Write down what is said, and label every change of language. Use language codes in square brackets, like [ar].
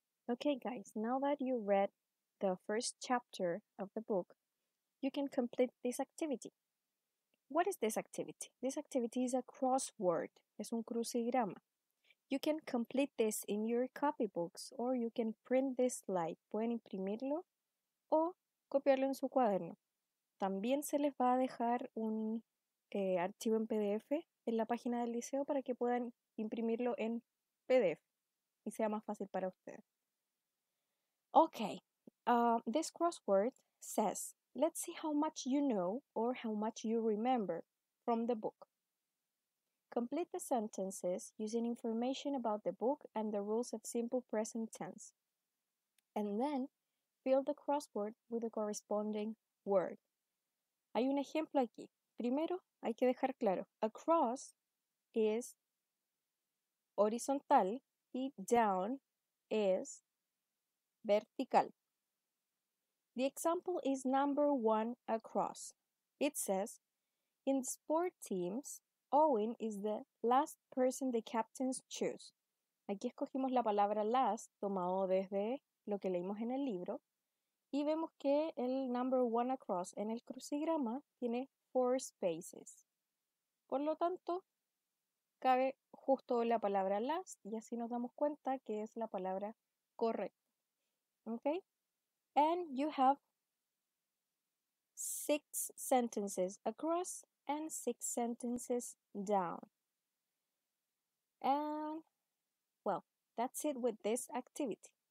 [en] Okay, guys, now that you read the first chapter of the book, you can complete this activity. What is this activity? This activity is a crossword. [es] Es un crucigrama. [en] You can complete this in your copy books, or you can print this slide. [es] Pueden imprimirlo o copiarlo en su cuaderno. También se les va a dejar un archivo en PDF en la página del liceo para que puedan imprimirlo en PDF y sea más fácil para ustedes. [en] Okay, this crossword says, let's see how much you know or how much you remember from the book. Complete the sentences using information about the book and the rules of simple present tense. And then fill the crossword with the corresponding word. [es] Hay un ejemplo aquí. Primero hay que dejar claro, across is horizontal y down es vertical. [en] The example is number one across. It says, in sport teams, Owen is the last person the captains choose. [es] Aquí escogimos la palabra last, tomado desde lo que leímos en el libro. Y vemos que el [en] number one across [es] en el crucigrama tiene [en] four spaces. [es] Por lo tanto, cabe justo la palabra last y así nos damos cuenta que es la palabra correcta. [en] Okay? And you have six sentences across and six sentences down. And, well, that's it with this activity.